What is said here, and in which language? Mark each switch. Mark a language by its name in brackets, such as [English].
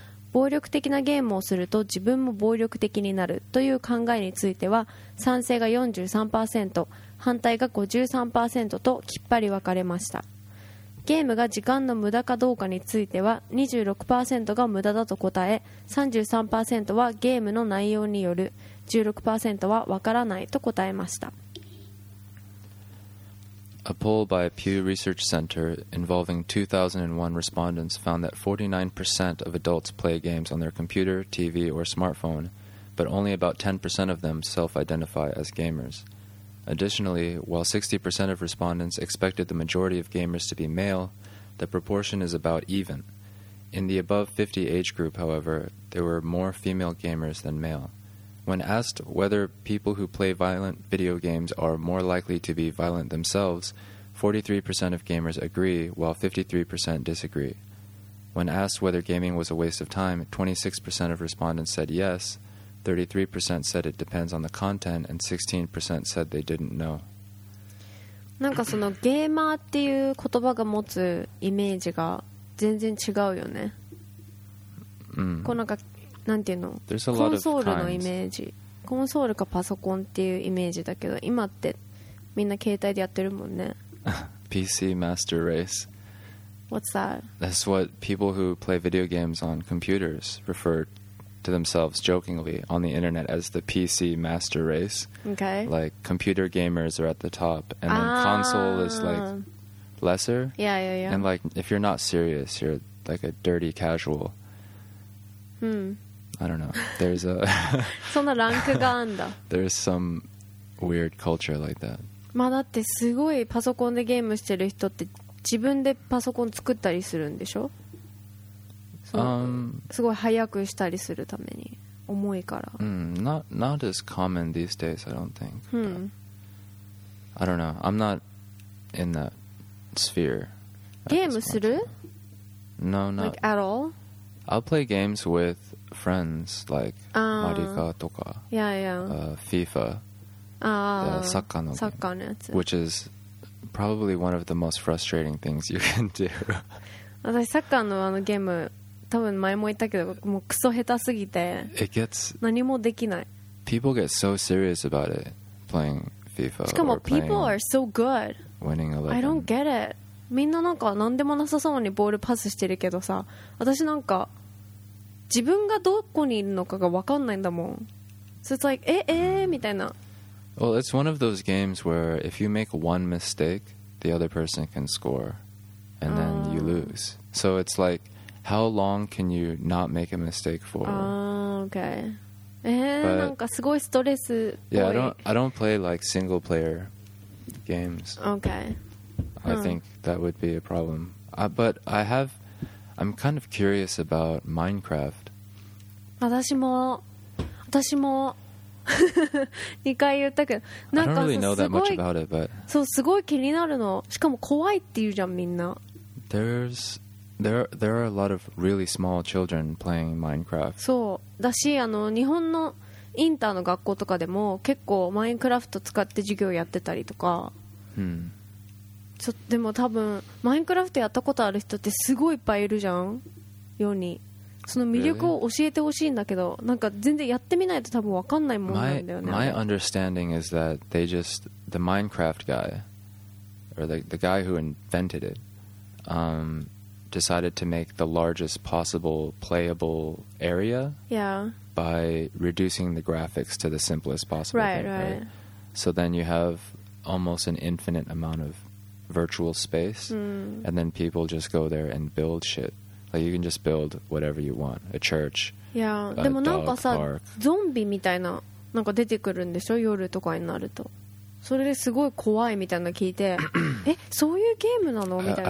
[Japanese] 暴力的なゲームをすると自分も暴力的になるという考えについては、賛成が 43%、 反対が 53% ときっぱり分かれました。ゲームが時間の無駄かどうかについては 26% が無駄だと答え、 33% はゲームの内容による、 16% は分からないと答えました。 [English] A poll by Pew Research Center involving 2001 respondents found that 49% of adults play games on their computer, TV or smartphone, but only about 10% of them self-identify as gamers. Additionally, while 60% of respondents expected the majority of gamers to be male, the proportion is about even. In the above 50 age group, however, there were more female gamers than male. When asked whether people who play violent video games are more likely to be violent themselves, 43% of gamers agree, while 53% disagree. When asked whether gaming was a waste of time, 26% of respondents said yes, 33% said it depends on the content, and 16% said they didn't know. [Japanese] なんかそのゲーマーっていう言葉が持つイメージが全然違うよね。うん、こうなんかなんていうの、コンソールのイメージ、コンソールかパソコンっていうイメージだけど、今ってみんな携帯でやってるもんね。 [English] PC Master Race. What's that? That's what people who play video games on computers refer to themselves jokingly on the internet as the PC Master Race. Okay. Like computer gamers are at the top, and then console is like lesser. Yeah, yeah, yeah. And like if you're not serious, you're like a dirty casual. Hmm. I don't know. There's a. [Japanese] そんなランクがあんだ。 [English] There's some weird culture like that. [Japanese] まあだってすごいパソコンでゲームしてる人って自分でパソコン作ったりするんでしょ、すごい早くしたりするために重いから、 [English] not as common these days I don't think、I don't know I'm not in that sphere [Japanese] ゲームする [English] no not like at all I'll play games with friends like Marika とか yeah, yeah.、 [Japanese] FIFAサッカーのサッカーのやつ [English] which is probably one of the most frustrating things you can do [Japanese] 私サッカーのあのゲーム多分前も言ったけどもうクソ下手すぎて [English] it gets [Japanese] 何もできない [English] people get so serious about it playing FIFA [Japanese] しかも [English] people are so good winning 11 I don't get it [Japanese] みんななんか何でもなさそうにボールパスしてるけどさ私なんか自分がどこにいるのかが分かんないんだもん [English] so it's like [Japanese] みたいな [English] Well, it's one of those games where if you make one mistake, the other person can score, and then you lose. So it's like, how long can you not make a mistake for? Okay. [Japanese] なんかすごいストレスっぽい。 [English] Yeah, I don't play like single player games. Okay. I think that would be a problem. But I'm kind of curious about Minecraft. [Japanese] 私も2回言ったけどなんか [English] I don't really know that much about it but [Japanese] そうすごい気になるのしかも怖いって言うじゃんみんな [English] There are a lot of really small children playing Minecraft [Japanese] そうだしあの日本のインターの学校とかでも結構マインクラフト使って授業やってたりとか、でも多分マインクラフトやったことある人ってすごいいっぱいいるじゃん世にその魅力を教えてほしいんだけど、 [English] really? [Japanese] なんか全然やってみないと多分分かんないもんなんだよね [English] my understanding is that they just the Minecraft guy or the guy who invented it decided to make the largest possible playable area yeah by reducing the graphics to the simplest possible right so then you have almost an infinite amount of virtual space and then people just go there and build shitLike、you can just build whatever you want. A church, yeah, a dog park. [Japanese] でもなんかさ、ゾンビみたいななんか出てくるんでしょ夜とかになると。それですごい怖いみたいな聞いて、そういうゲームなのみたいな。